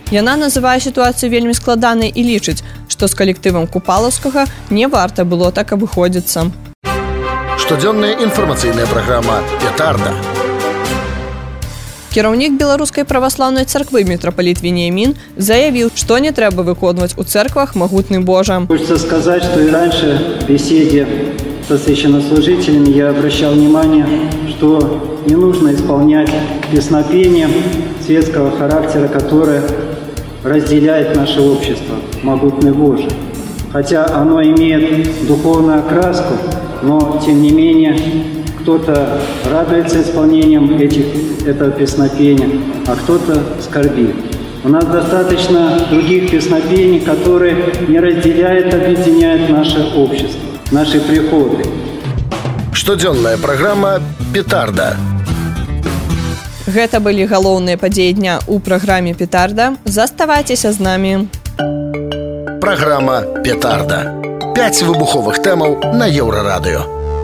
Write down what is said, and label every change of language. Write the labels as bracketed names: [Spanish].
[Belarusian] Яна называе сітуацыю вельмі складанай і лічыць, што з калектывам Купалаўскага не варта было так абыходзіцца. Штодзённая інфармацыйная праграма «Петарда». Кіраўнік Беларускай праваслаўнай царквы мітрапаліт Веніямін заявіў, што не трэба выконваць у цэрквах магутны Божа. [Russian] Хочется сказаць, што і раньше в беседе с священнослужителями я обращал внимание, что не нужно исполнять песнопения светского характера, которое разделяет наше общество, могутный Божий. Хотя оно имеет духовную окраску, но тем не менее кто-то радуется исполнением этого песнопения, а кто-то скорбит. У нас достаточно других песнопений, которые не разделяют, а объединяют наше общество, наши приходы. [Belarusian] Штодзённая программа «Петарда». Гэта былі галоўныя падзеі дня ў праграме «Петарда». Заставайцеся з намі. Праграма «Петарда». 5 выбуховых тэмаў на Еўрарадыё.